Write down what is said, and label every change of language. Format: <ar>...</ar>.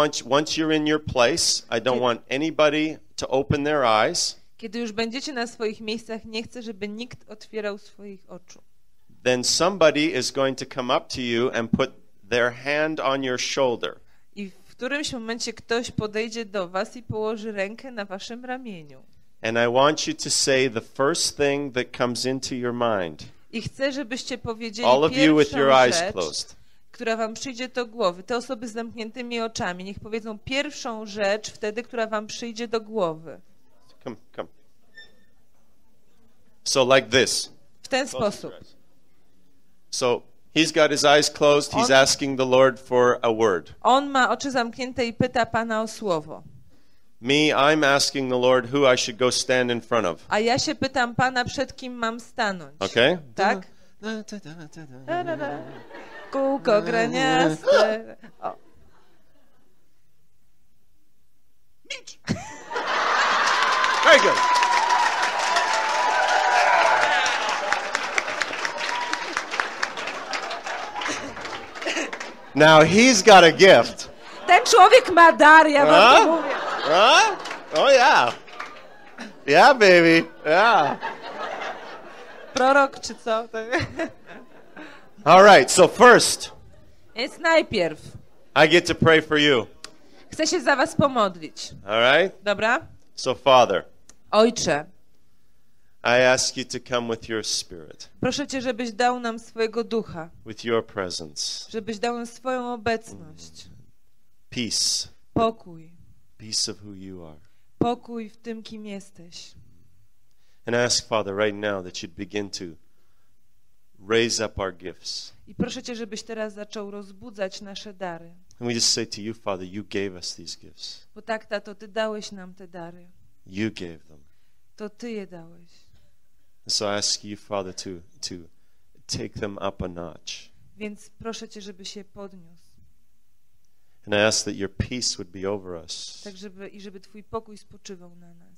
<en>Once you're in your place, I don't want anybody to open their eyes.</en> <pl>Kiedy już będziecie na swoich miejscach, nie chcę, żeby nikt otwierał swoich oczu.</pl> <en>Then somebody is going to come up to you and put their hand on your shoulder.</en> <pl>I w którymś momencie ktoś podejdzie do was i położy rękę na waszym ramieniu.</pl> <en>And I want you to say the first thing that comes into your mind.</en> <pl>I chcę, żebyście powiedzieli pierwszą rzecz.</pl> <en>All of you with your eyes closed.</en> <pl>Która wam przyjdzie do głowy, te osoby z zamkniętymi oczami, niech powiedzą pierwszą rzecz wtedy, która wam przyjdzie do głowy.</pl> <en>Come. So like this.</en> <pl>W ten sposób.</pl> <en>So he's got his eyes closed. He's asking the Lord for a word.</en> <pl>On ma oczy zamknięte i pyta Pana o słowo.</pl> <en>Me, I'm asking the Lord who I should go stand in front of.</en> <pl>A ja się pytam Pana, przed kim mam stanąć.</pl> <en>Okay.</en> <pl>Tak. Kółko graniaste.</pl> <en>Mitch. Very good. Now he's got a gift.</en> <pl>Ten człowiek ma dar, ja wam to mówię.</pl> <en>Huh? Oh yeah. Yeah, baby. Yeah.</en> <pl>Prorok czy co?</pl> <en>All right, so first.</en> <pl>Więc najpierw.</pl> <en>I get to pray for you.</en> <pl>Chcę się za was pomodlić.</pl> <en>All right?</en> <pl>Dobra?</pl> <en>So Father.</en> <pl>Ojcze.</pl> <en>I ask you to come with your spirit.</en> <pl>Proszę cię, żebyś dał nam swojego ducha.</pl> <en>With your presence.</en> <pl>Żebyś dał nam swoją obecność.</pl> <en>Peace.</en> <pl>Pokój.</pl> <en>Peace of who you are.</en> <pl>Pokój w tym, kim jesteś.</pl> <en>And ask Father right now that you'd begin to raise up our gifts.</en> <pl>I proszę cię, żebyś teraz zaczął rozbudzać nasze dary.</pl> <en>And we just say to you, Father, you gave us these gifts.</en> <pl>Bo tak, Tato, ty dałeś nam te dary.</pl> <en>You gave them.</en> <pl>To ty je dałeś.</pl> <en>And so I ask you, Father, to take them up a notch.</en> <pl>Więc proszę cię, żebyś je podniósł.</pl> <en>And I ask that your peace would be over us.</en> <pl>Tak żeby twój pokój spoczywał na nas.</pl>